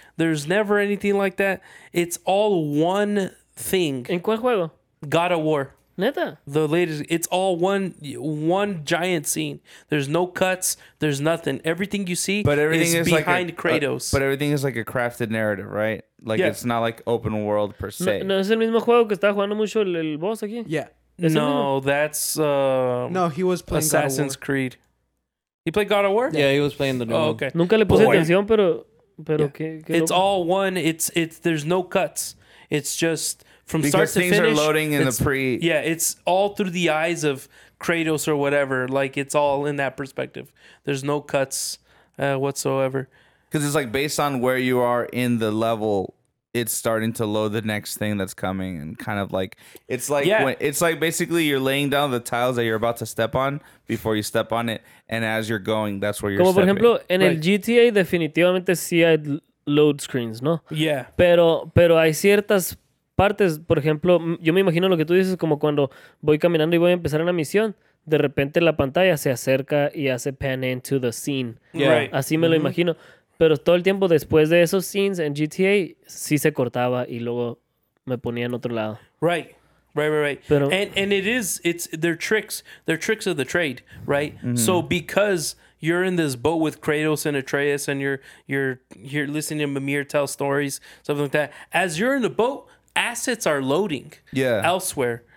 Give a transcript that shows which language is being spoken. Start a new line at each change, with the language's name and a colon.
English: There's never anything like that. It's all one thing.
Spanish: ¿En cuál juego?
English: God of War.
Spanish: Neta.
English: The latest, it's all one giant scene. There's no cuts. There's nothing. Everything you see is behind like Kratos. But everything is like a crafted narrative, right? Like it's not like open world per se.
Spanish: No, es el mismo juego que está jugando mucho el boss aquí.
English: Yeah. No, that's he was playing Assassin's God of War. Creed. He played God of War? Yeah, he was playing the new one. Okay.
Spanish: Nunca le puse atención, pero que
English: it's all one. It's there's no cuts. It's just from because start to things finish, are loading in the Yeah, it's all through the eyes of Kratos or whatever. Like, it's all in that perspective. There's no cuts whatsoever. Because it's like based on where you are in the level, it's starting to load the next thing that's coming. And kind of like, it's like, it's like basically you're laying down the tiles that you're about to step on before you step on it. And as you're going, that's where you're
Spanish: Como
English: stepping.
Spanish: Como por ejemplo, en el GTA, definitivamente sí hay load screens, ¿no?
English: Yeah.
Spanish: Pero hay ciertas partes, por ejemplo, yo me imagino lo que tú dices, como cuando voy caminando y voy a empezar una misión, de repente la pantalla se acerca y hace
English: pan into the scene. Yeah. Right.
Spanish: Así me lo imagino. Pero todo el tiempo después de esos scenes en GTA, sí se cortaba y luego me ponía en otro lado.
English: Right. And it is, it's, they're tricks of the trade, right? Mm-hmm. So because you're in this boat with Kratos and Atreus and you're listening to Mimir tell stories, something like that, as you're in the boat, assets are loading elsewhere.